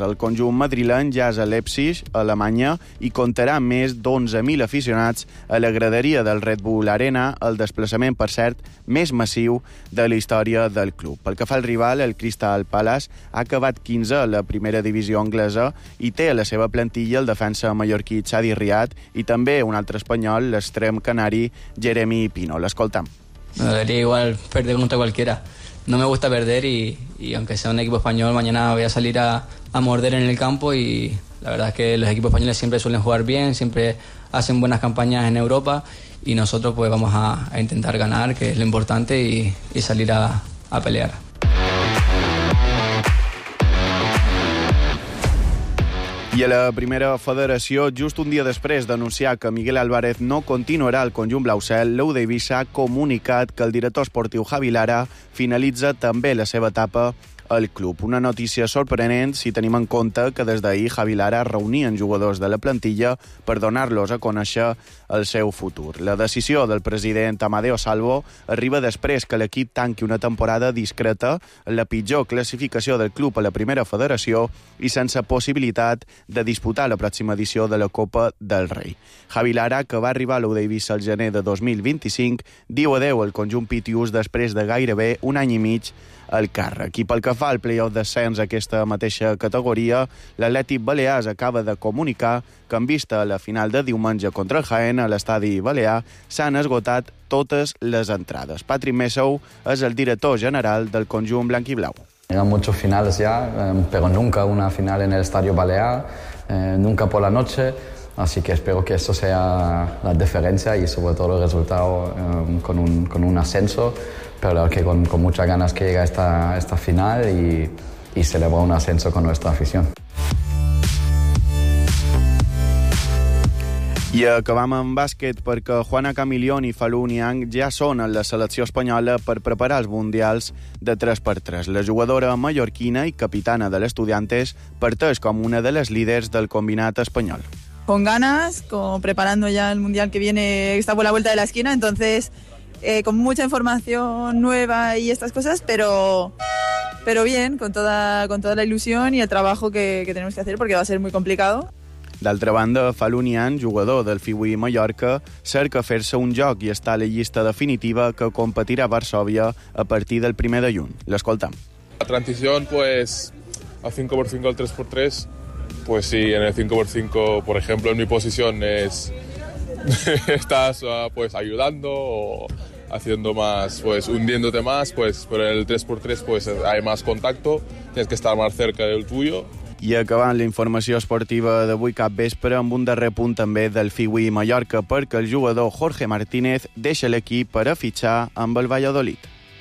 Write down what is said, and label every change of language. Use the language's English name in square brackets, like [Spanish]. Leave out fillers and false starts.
[Catalan] El conjunt madrileny ja és a Leipzig, Alemanya, i comptarà amb més d'11.000 aficionats a la graderia del Red Bull Arena, el desplaçament, per cert, més massiu de la història del club. Pel que fa al rival, el Crystal Palace ha acabat 15 a la primera divisió anglesa i té a la seva plantilla el defensa mallorquí Xavi Riad i també un altre espanyol, l'extrem canari Jeremy Pino. L'escoltam. [Spanish] Me daría igual perder contra cualquiera. no me gusta perder y aunque sea un equipo español, mañana voy a salir a morder en el campo y la verdad es que los equipos españoles siempre suelen jugar bien, siempre hacen buenas campañas en Europa y nosotros pues vamos a intentar ganar, que es lo importante, y salir a pelear. [Catalan] I a la primera federació, just un dia després d'anunciar que Miguel Álvarez no continuarà al conjunt blau cel, l'U d'Eivissa ha comunicat que el director esportiu Javi Lara finalitza també la seva etapa al club. Una notícia sorprenent si tenim en compte que des d'ahir Javi Lara reunien jugadors de la plantilla per donar-los a conèixer el seu futur. La decisió del president Amadeo Salvo arriba després que l'equip tanqui una temporada discreta, la pitjor classificació del club a la primera federació i sense possibilitat de disputar la pròxima edició de la Copa del Rei. Javi Lara, que va arribar a l'U d'Eivissa el gener de 2025, diu adeu al conjunt pitius després de gairebé un any i mig el càrrec. I pel que fa al play-off d'ascens a aquesta mateixa categoria, l'Atlètic Balears acaba de comunicar que en vista a la final de diumenge contra el Jaén a l'estadi Balear s'han esgotat totes les entrades. Patrick Messou és el director general del conjunt blanc i blau. [Spanish] Eran muchos finales ya, pero nunca una final en el estadio Balear, nunca por la noche, así que espero que eso sea la diferencia y sobre todo el resultado con un ascenso. Pero que con muchas ganas que llega esta final y celebra un ascenso con nuestra afición. [Catalan] I acabam amb bàsquet perquè Juana Camilion i Falú Niang ja són a la selecció espanyola per preparar els mundials de 3x3. La jugadora mallorquina i capitana de l'Estudiantes parteix com una de les líders del combinat espanyol. [Spanish] Con ganas, preparando ya el mundial que viene, que está por la vuelta de la esquina, entonces... con mucha información nueva y estas cosas, pero bien, con toda la ilusión y el trabajo que tenemos que hacer, porque va a ser muy complicado. [Catalan] D'altra banda, Falú Niang, jugador del Fiwi Mallorca, cerca fer-se un joc i està a la llista definitiva que competirà a Varsovia a partir del 1 de juny. L'escoltam. [Spanish] La transició, pues, al 5x5, al 3x3, pues sí, en el 5x5, por ejemplo, en mi posición es... Estás pues ayudando o haciendo más, pues hundiéndote más, pues pero en el 3x3 pues hay más contacto, tienes que estar más cerca del tuyo. [Catalan] I acabant la informació esportiva d'avui cap vespre amb un darrer punt també del Fiwi Mallorca, perquè el jugador Jorge Martínez deixa l'equip per a fitxar amb el Valladolid.